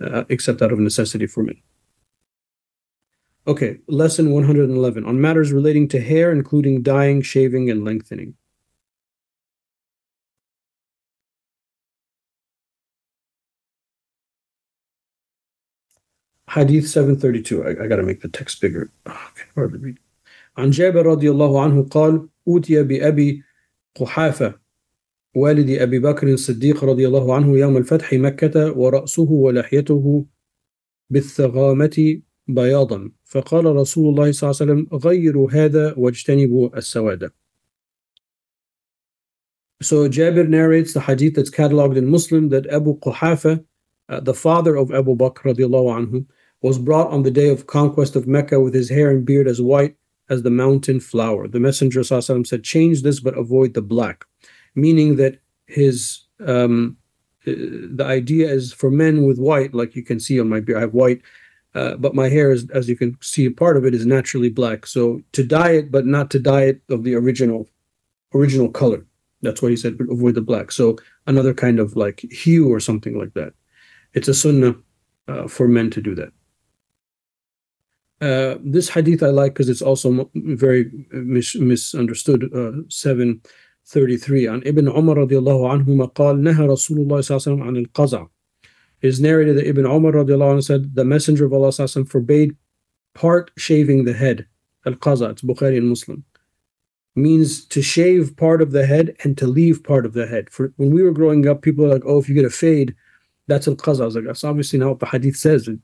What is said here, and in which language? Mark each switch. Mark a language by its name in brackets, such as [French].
[English] Except out of necessity for men. Okay, lesson 111. On matters relating to hair, including dyeing, shaving, and lengthening. Hadith 732. I got to make the text bigger. Okay, hard to read. [Arabic] عن جابر رضي الله عنه قال أوتي بأبي قحافة والد أبي بكر الصديق رضي الله عنه يوم الفتح مكة ورأسه ولحيته بالثغامة بياضا فقال رسول الله صلى الله عليه وسلم غيروا هذا واجتنبوا السواد. [English] So Jabir narrates the hadith that's cataloged in Muslim that Abu قحافة, the father of Abu Bakr رضي الله عنه, was brought on the day of conquest of Mecca with his hair and beard as white as the mountain flower. The Messenger ﷺ said, change this but avoid the black. Meaning that his the idea is for men with white, like you can see on my beard, I have white, but my hair is, as you can see, part of it is naturally black. So to dye it, but not to dye it of the original color. That's why he said, but avoid the black. So another kind of like hue or something like that. It's a sunnah for men to do that. This hadith I like because it's also very misunderstood. [Arabic] 733. عن ابن عمر رضي الله عنهما قال نهى رسول الله صلى الله عليه وسلم عن القزع. [English] It's narrated that Ibn Umar رضي الله عنه said the Messenger of Allah صلى الله عليه وسلم forbade part shaving the head. القزع. It's Bukhari and Muslim. Means to shave part of the head and to leave part of the head. For when we were growing up, people were like, oh, if you get a fade, that's al-qaza. I was like, that's obviously not what the hadith says.